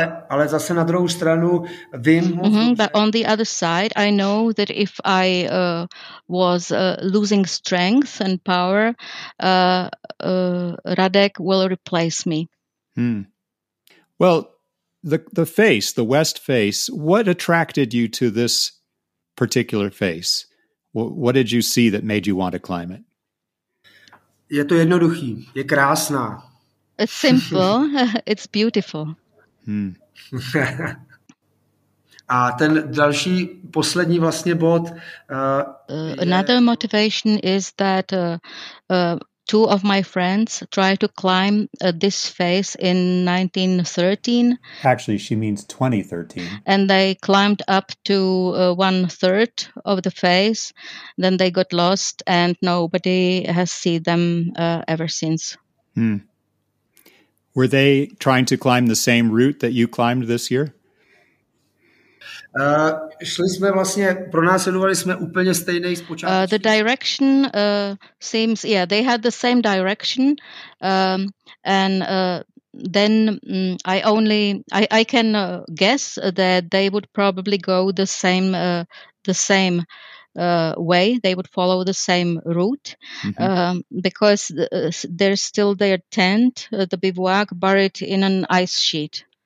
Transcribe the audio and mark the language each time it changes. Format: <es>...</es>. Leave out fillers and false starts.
<cs>Ale zase na druhou stranu vím...</cs> <en>But on the other side, I know that if I was losing strength and power, Radek will replace me. Hmm. Well, the face, the west face, what attracted you to this particular face? What did you see that made you want to climb it?</en> <cs>Je to jednoduchý, je krásná.</cs> <en>It's simple, it's beautiful.</en> <cs>A ten další poslední vlastně bod.</cs> <en>Another motivation is that two of my friends tried to climb this face in 1913. Actually, she means 2013. And they climbed up to one third of the face. Then they got lost and nobody has seen them ever since. Hmm. Were they trying to climb the same route that you climbed this year?</en> <cs>Šli jsme vlastně, pronásledovali jsme úplně stejný z počátku.</cs> <en>The direction seems, yeah, they had the same direction. I can guess that they would probably go the same way. They would follow the same route because there's still their tent, the bivouac, buried in an ice sheet.</en>